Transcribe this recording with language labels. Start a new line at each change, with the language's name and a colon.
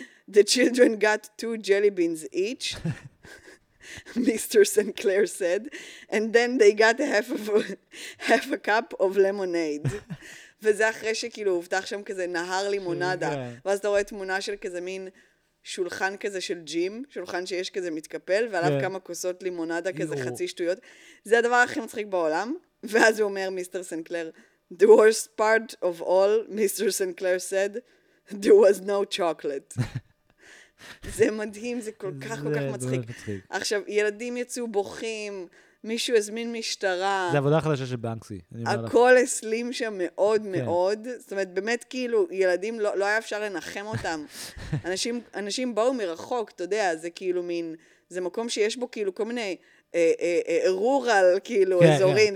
English: The children got two jelly beans each. Mr. Sinclair said, and then they got half a cup of lemonade.
Hebrew: וזה אחרי שכאילו הובטח שם כזה נהר לימונדה, ואז אתה רואה תמונה של כזה מין שולחן כזה של ג'ים, שולחן שיש כזה מתקפל, ועליו כמה כוסות לימונדה כזה חצי שטויות. זה הדבר הכי מצחיק בעולם. ואז הוא אומר, Mr.
English: Sinclair, the worst part of all, Mr. Sinclair said, there was no chocolate.
Hebrew: זה מדהים, זה כל כך כל כך מצחיק. עכשיו, ילדים יצאו בוכים, מישהו הזמין משטרה. זה עבודה חדשה של בנקסי. הכל הסלים שם מאוד מאוד. זאת אומרת, באמת כאילו, ילדים לא היה אפשר לנחם אותם. אנשים באו מרחוק, אתה יודע, זה כאילו מין, זה מקום שיש בו כאילו כל מיני רורל, כאילו, אזורים.